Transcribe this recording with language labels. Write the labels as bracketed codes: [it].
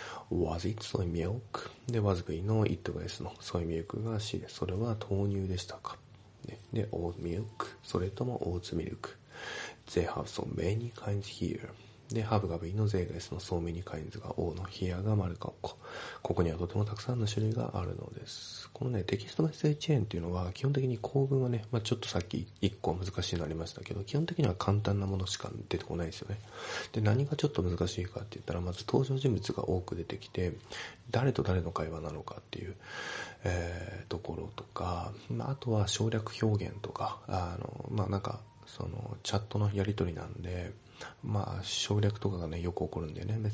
[en] Was it soy milk? [ja] で、was V の it が S の soy milk が C で、それは豆乳でしたか。 [en] ね、で、oat milk? [ja] それともオーツミルク。 [en] They have so many kinds here. [ja] で、have が V の they が S の so many kinds が O の here が丸括弧。ここにはとてもたくさんの種類があるのです。このね、テキストメッセージチェーンっていうのは、基本的に構文はね、まあ、ちょっとさっき1個難しいのありましたけど、基本的には簡単なものしか出てこないですよね。で、何がちょっと難しいかって言ったら、まず登場人物が多く出てきて、誰と誰の会話なのかっていう、ところとか、まあ、あとは省略表現とか、まあ、なんか、その、チャットのやり取りなんで、まあ、省略とかがね、よく起こるんだよね。